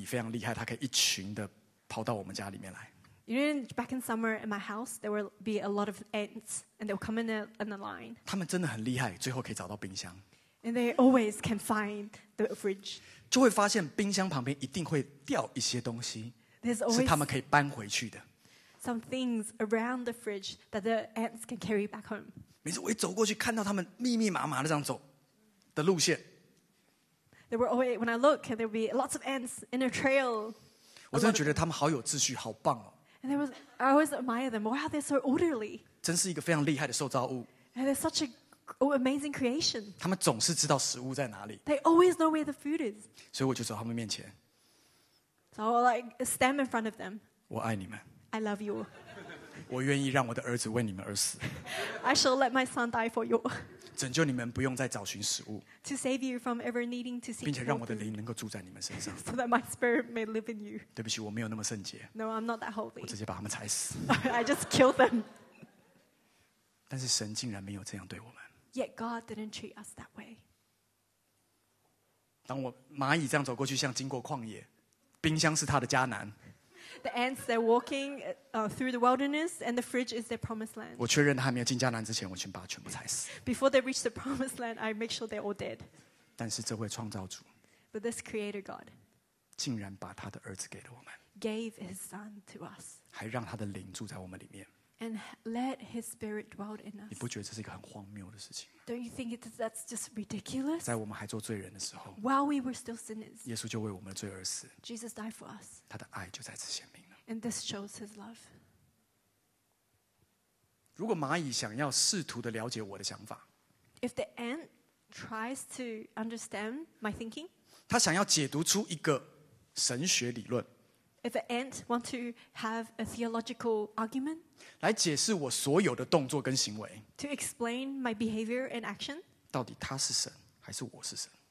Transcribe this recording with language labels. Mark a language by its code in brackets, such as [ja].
[zh] 那我夏天的时候，我家里面常常会有一堆蚂蚁，非常厉害，它可以一群的跑到我们家里面来。 [en] You know, back in summer in my house, there will be a lot of ants, and they'll come in a line. [zh] 他们真的很厉害，最后可以找到冰箱。 [en] And they always can find the fridge. [zh] 就会发现冰箱旁边一定会掉一些东西， 是他们可以搬回去的。 [en] Some things around the fridge that the ants can carry back home. [zh] 每次我一走过去，看到他们密密麻麻的这样走的路线。 [en] They were always when I look, there will be lots of ants in a trail. [zh] 我真的觉得他们好有秩序，好棒哦。 [en] And there was, I always admire them. Wow, they're so orderly. [zh] 真是一个非常厉害的受造物。 [en] And they're such a Oh, amazing creation. [zh] 他们总是知道食物在哪里。 [en] They always know where the food is. [zh] 所以我就走到他们面前。 [en] So I'll like stand in front of them. [zh] 我爱你们。 [en] I love you. [zh] 我愿意让我的儿子为你们而死。 [en] I shall let my son die for you. [zh] 拯救你们不用再找寻食物。 [en] To save you from ever needing to seek. [zh] 并且让我的灵能够住在你们身上。 [en] So that my spirit may live in you. [zh] 对不起，我没有那么圣洁。 [en] No, I'm not that holy. [zh] 我直接把他们踩死。 [en] I just kill them. [zh] 但是神竟然没有这样对我们。 [en] Yet God didn't treat us that way. [zh] 当我蚂蚁这样走过去，像经过旷野，冰箱是他的迦南。 [en] The ants they're walking through the wilderness, and the fridge is their promised land. [zh] 我确认他还没有进迦南之前，我全把他全部踩死。 [en] Before they reach the promised land, I make sure they're all dead. [zh] 但是这位创造主， [en] But this Creator God, [zh] 竟然把他的儿子给了我们， [en] gave His Son to us, [zh] 还让他的灵住在我们里面。 [en] And let His Spirit dwell in us. [zh] 你不觉得这是一个很荒谬的事情？ [en] Don't you think that's just ridiculous? [zh] 在我们还做罪人的时候， [en] While we were still sinners, [zh] 耶稣就为我们的罪而死。 [en] Jesus died for us. [zh] 他的爱就在此显明了。 [en] And this shows His love. [zh] 如果蚂蚁想要试图的了解我的想法， [en] If the ant tries to understand my thinking, [zh] 他想要解读出一个神学理论， [en] If an ant wants to have a theological argument, [zh] 来解释我所有的动作跟行为， [en] to explain my behavior and action, [zh] 到底他是神还是我是神？